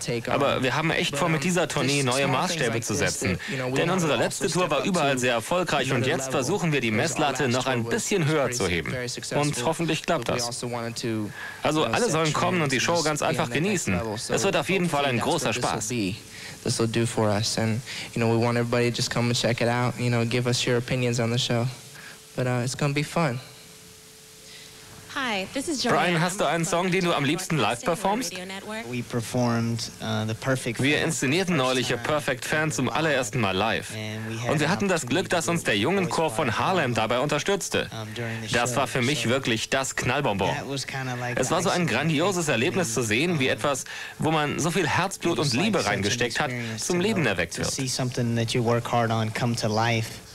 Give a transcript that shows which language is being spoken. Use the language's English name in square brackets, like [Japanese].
[German] Aber wir haben echt vor, mit dieser Tournee neue Maßstäbe zu setzen. Denn unsere letzte Tour war überall sehr erfolgreich und jetzt versuchen wir, die Messlatte noch ein bisschen höher zu heben. Und hoffentlich klappt das. Also alle sollen kommen und die Show ganz einfach genießen. Es wird auf jeden Fall ein großer Spaß. [English] This will do for us, and you know, we want everybody to just come and check it out, you know, give us your opinions on the show, but it's gonna be fun. Hi, this is Joanne. [German] Brian, hast du einen Song, den du am liebsten live performst? Wir inszenierten neulich A Perfect Fan zum allerersten Mal live. Und wir hatten das Glück, dass uns der Jungenchor von Harlem dabei unterstützte. Das war für mich wirklich das Knallbonbon. Es war so ein grandioses Erlebnis zu sehen, wie etwas, wo man so viel Herzblut und Liebe reingesteckt hat, zum Leben erweckt wird.